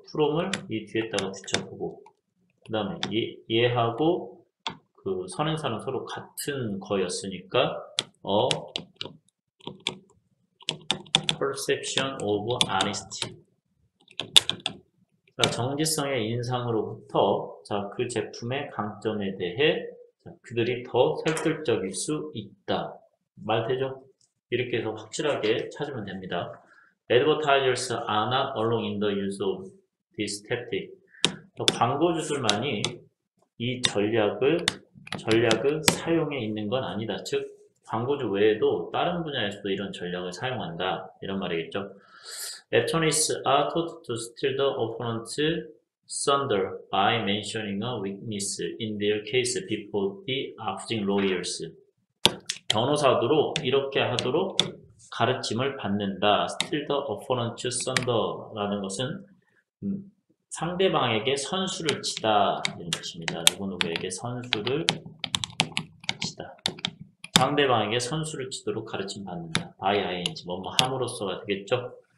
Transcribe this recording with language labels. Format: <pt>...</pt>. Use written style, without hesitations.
<ko>From을 이 뒤에다가 붙여보고. 그 다음에 얘하고 그 선행사는 서로 같은 거였으니까</ko> <en>perception of honesty.</en> <ko>정지성의 인상으로부터 그 제품의 강점에 대해 그들이 더 설득적일 수 있다. 말 되죠? 이렇게 해서 확실하게 찾으면 됩니다.</ko> <en>Advertisers are not alone in the use of this tactic.</en> <ko>광고주들만이 이 전략을 사용해 있는 건 아니다. 즉, 광고주 외에도 다른 분야에서도 이런 전략을 사용한다. 이런 말이겠죠.</ko> <en>Attorneys are taught to steal the opponent's thunder by mentioning a weakness in their case before the opposing lawyers.</en> <ko>변호사들로 이렇게 하도록 가르침을 받는다.</ko> <en>Steal the opponent's thunder라는</en> <ko>것은 상대방에게 선수를 치다 이런 뜻입니다. 누구누구에게 선수를 치다. 상대방에게 선수를 치도록 가르침 받는다. by ing 뭐뭐 함으로써가 되겠죠.</ko>